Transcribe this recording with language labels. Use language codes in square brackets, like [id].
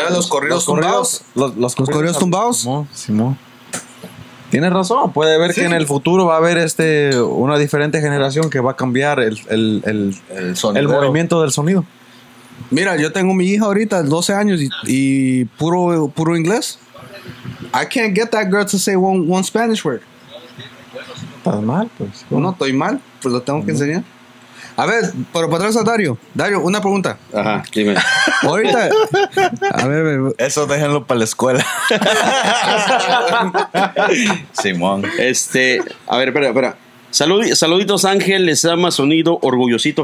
[es] Los corridos tumbados. Simón. Tienes razón, puede ver, sí, que en el futuro va a haber una diferente generación que va a cambiar el movimiento del sonido. Mira, yo tengo mi hija ahorita, 12 años y puro inglés. [en] I can't get that girl to say one Spanish word. [es] Estás mal, pues. ¿Cómo? No, estoy mal, pues lo tengo que enseñar. A ver, pero para atrás a Dario. Dario, una pregunta. Ajá, dime. Ahorita. A ver, eso déjenlo para la escuela. Simón. A ver, espera. Saluditos, Ángel, les ama sonido, orgullosito.